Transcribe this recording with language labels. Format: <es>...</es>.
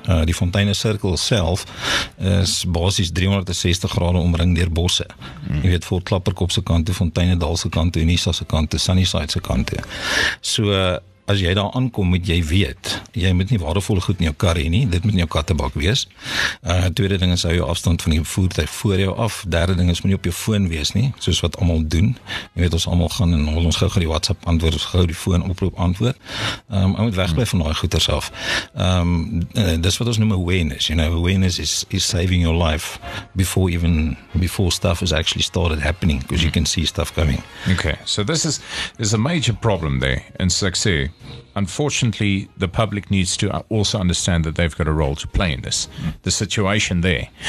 <af>Die Fontaine Circle self is basies 360 grade omring deur bosse. Jy weet, voor Klapperkop se kant toe, Fontaine Dal se kant toe, Unisa se kant toe, Sunnyside se kant toe. So, as jy daar aankom, moet jy weet, jy moet nie waardevolle goed in jou kar hê nie, dit moet in jou kattebak wees. Tweede ding is, hou jou afstand van die voertuig voor jou af. Derde ding is, moet nie op jou foon wees nie, soos wat almal doen. Jy weet, ons almal gaan en ons gou gaan die WhatsApp antwoord, ons gou die foon oproep antwoord. Jy moet wegbly van daai goeders af. Dis wat ons noem</af> <en>awareness, you know, awareness is saving your life before stuff is actually started happening, because you can see stuff coming. Okay, so this is a major problem there, in Sexy. Unfortunately, the public needs to also understand that they've got a role to play in this, the situation there.</en>